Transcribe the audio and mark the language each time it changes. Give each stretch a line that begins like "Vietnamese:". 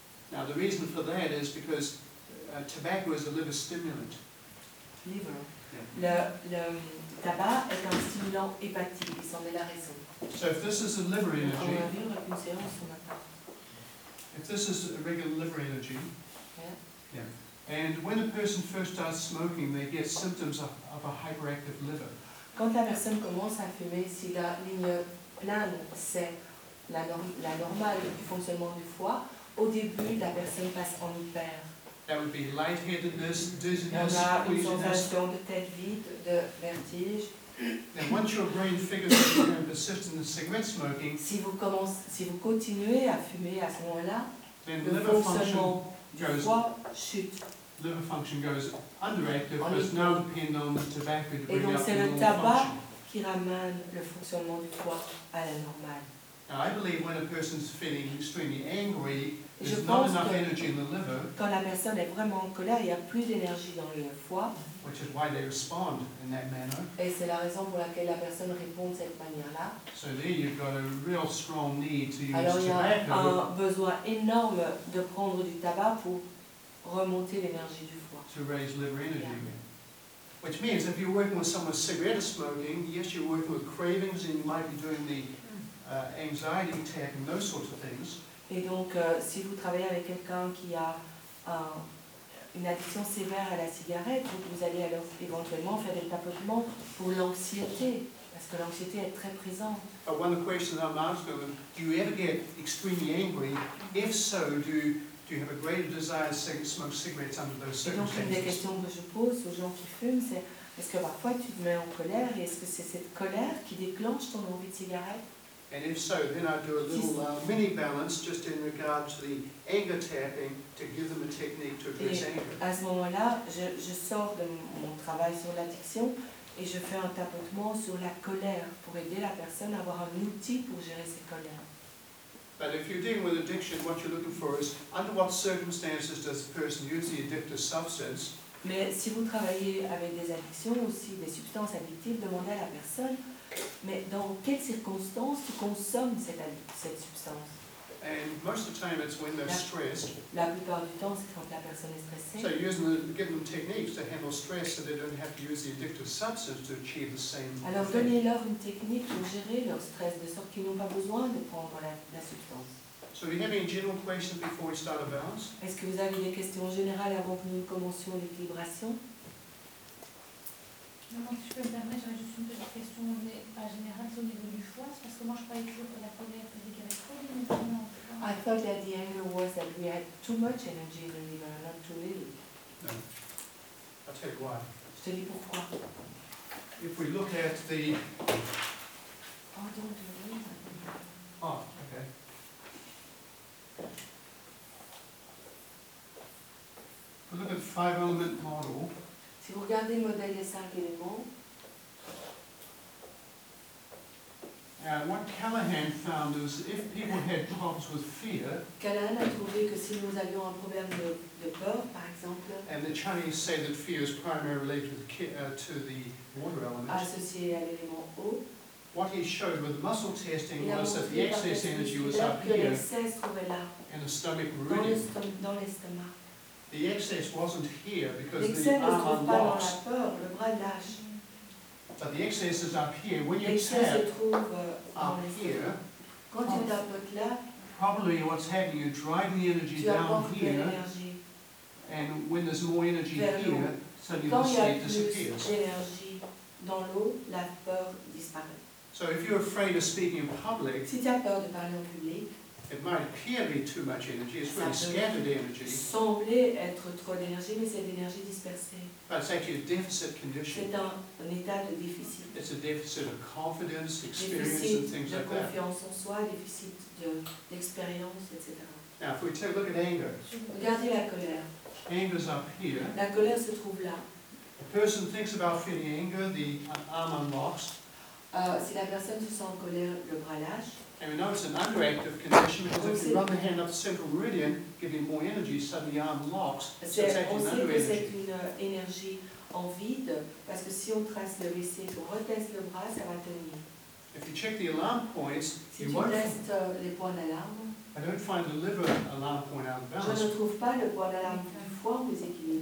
English: Now the reason for that is because tobacco is a liver stimulant. Liver.
French: Le tabac est un stimulant hépatique, il s'en est la raison.
English: So if this is a liver energy. If this is a regular liver energy. And when a person first starts smoking, they get symptoms of a hyperactive liver.
French: Quand la personne commence à fumer, si la ligne pleine, c'est la normale du fonctionnement du foie, au début, la personne passe en hyper.
English: That would be lightheadedness, dizziness, queasiness.
French: Dans la tête vide, de vertige.
English: Then once your brain figures out you're going to persist in the cigarette smoking,
French: si vous continuez à fumer à ce moment-là,
English: then the liver function goes
French: chute.
English: Liver function goes underactive, but it's now dependent on the tobacco to bring up the liver function.
French: Qui ramène le fonctionnement du foie à la normale.
English: Now, I believe when a person's feeling extremely angry, there's not enough energy in the liver.
French: Quand la personne est vraiment en colère, il y a plus d'énergie dans le foie.
English: Which is why they respond in that manner.
French: Et c'est la raison pour laquelle la personne répond de cette manière-là.
English: So there you've got a real strong need to use tobacco.
French: Alors il y a un besoin énorme de prendre du tabac pour remonter l'énergie du foie.
English: To raise liver energy. Yeah. Which means if you're working with someone cigarette smoking, yes, you're working with cravings and you might be doing the anxiety attack and those sorts of things.
French: Et donc, si vous travaillez avec quelqu'un qui a une addiction sévère à la cigarette, vous allez alors éventuellement faire des tapotements pour l'anxiété, parce que l'anxiété est très présente.
English: But one of the questions I'm asking is, do you ever get extremely angry? If so, do you have a greater desire to smoke cigarettes under those circumstances?
French: Et donc, une des questions que je pose aux gens qui fument, c'est, est-ce que parfois tu te mets en colère, et est-ce que c'est cette colère qui déclenche ton envie de cigarette?
English: And if so, then I do a little mini balance just in regard to the anger tapping to give them a technique to address
French: et
English: anger.
French: À ce moment-là, je sors de mon travail sur l'addiction et je fais un tapotement sur la colère pour aider la personne à avoir un outil pour gérer ses colères.
English: But if you're dealing with addiction, what you're looking for is under what circumstances does the person use the addictive substance?
French: Mais si vous travaillez avec des addictions ou si des substances addictives, demandez à la personne. Mais dans quelles circonstances tu consommes cette substance?
English: And most of the time it's when they're stressed.
French: La plupart du temps, c'est quand la personne est stressée.
English: So using the, give them techniques to handle stress so they don't have to use the addictive substance to achieve the same thing.
French: Alors donnez-leur une technique pour gérer leur stress de sorte qu'ils n'ont pas besoin de prendre la substance.
English: So do you have any general questions before we start a balance?
French: Est-ce que vous avez des questions générales avant que nous commencions l'équilibration? Non, si je peux me permettre, j'aurais juste une petite question pas générale, c'est au niveau du foie. C'est parce que moi, je croyais toujours que la colère faisait qu'il y avait trop d'énergie dans le foie.
English: I thought that the anger was that we had too much energy in the liver, not too little. No. I'll tell you why.
French: Je te dis pourquoi.
English: If we look at the... Oh, don't do it. Oh, okay. If we look at the five-element model...
French: Si vous regardez le modèle des cinq éléments.
English: And what Callahan found is if people had problems with fear.
French: Callahan a trouvé que si nous avions un problème de peur, par exemple.
English: And the Chinese say that fear is primarily related to the water element.
French: Associé à l'élément eau.
English: What he showed with muscle testing was that the excess energy was up here. In the stomach meridian.
French: Dans l'estomac.
English: The excess wasn't here because the arm unlocks.
French: Le bras lâche.
English: But the excess is up here. When you tap up here,
French: quand tu tapotes là,
English: probably what's happening, you're driving the energy down here, and when there's more energy here, suddenly
French: quand
English: the state disappears.
French: Dans l'eau, la peur disparaît.
English: So if you're afraid of speaking in public,
French: si tu as peur de parler en public,
English: it might appear to be too much energy, it's really scattered energy.
French: Sembler être trop d'énergie, mais c'est d'énergie dispersée.
English: But it's actually a deficit condition.
French: C'est un état de déficit.
English: It's a deficit of confidence, experience,
French: déficit
English: and things
French: de
English: like
French: confiance
English: that.
French: En soi, déficit d'expérience, etc.
English: Now, if we take a look at anger.
French: Regardez la colère.
English: Anger's up here.
French: La colère se trouve là.
English: A person thinks about feeling anger, the arm unlocks.
French: Si la personne se sent en colère, le bras lâche.
English: And we know it's an underactive condition because if you run the hand up the central meridian, giving more energy, suddenly the arm locks. If you check the alarm points,
French: si
English: you won't.
French: Les points d'alarme,
English: I don't find the liver alarm point out of balance.
French: Je ne trouve pas le point d'alarme du foie déséquilibré.